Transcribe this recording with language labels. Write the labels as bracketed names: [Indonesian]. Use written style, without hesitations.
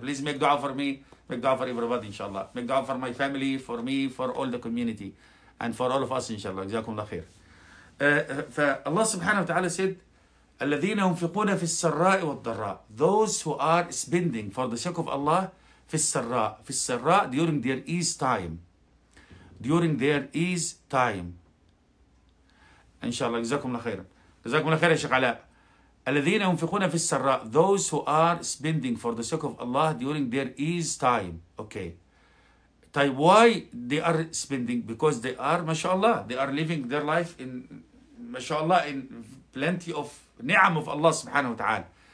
[English] Please make dua for me, make dua for everybody, inshallah, make dua for my family, for me, for all the community, and for all of us, inshallah, [Arabic] جزاكم الله خير. فالله سبحانه وتعالى [English] said, [Arabic] الذين ينفقون في السراء والضراء. [English] Those who are spending for the sake of Allah, [Arabic] في السراء. في السراء, [English] during their ease time. During their ease time. [Arabic] إن شاء الله, جزاكم الله خيرا. جزاكم الله خيرا يا شيخ علاء. الذين ينفقون في السراء. [English] Those who are spending for the sake of Allah during their ease time. Okay. طيب, why they are spending? Because they are, mashallah, they are living their life in, mashallah, in plenty of ni'am of Allah subhanahu wa ta'ala.